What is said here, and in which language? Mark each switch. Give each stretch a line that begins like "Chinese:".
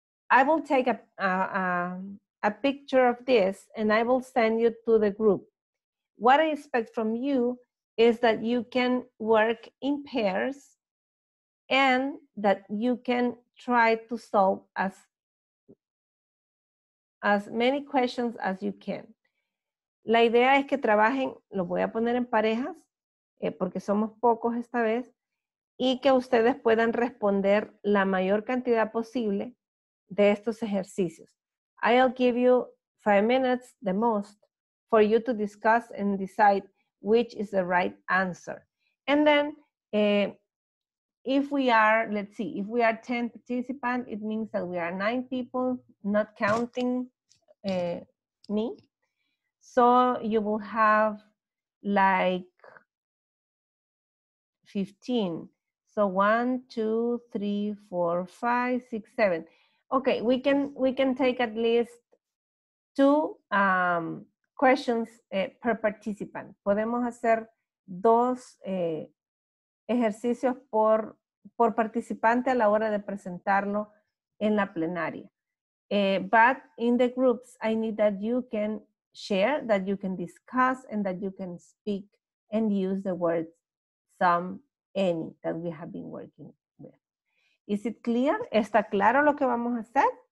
English: I will take a picture of this and I will send you to the group. What I expect from you is that you can work in pairs and that you can try to solve as many questions as you can.
Spanish: La idea es que trabajen, lo voy a poner en parejas, porque somos pocos esta vez, y que ustedes puedan responder la mayor cantidad posible de estos ejercicios.
English: I'll give you 5 minutes, the most, for you to discuss and decide which is the right answer. And then, if we are, let's see, if we are 10 participants, it means that we are 9 people, not counting me. So you will have like 15. So 1, 2, 3, 4, 5, 6, 7. Okay, we can take at least 2 questions per participant.
Spanish: Podemos hacer 2 ejercicios por participante a la hora de presentarlo en la plenaria.
English: But in the groups, I need that you can share, that you can discuss, and that you can speak and use the words some, any, that we have been working with. Is it clear?
Spanish: ¿Está claro lo que vamos a hacer?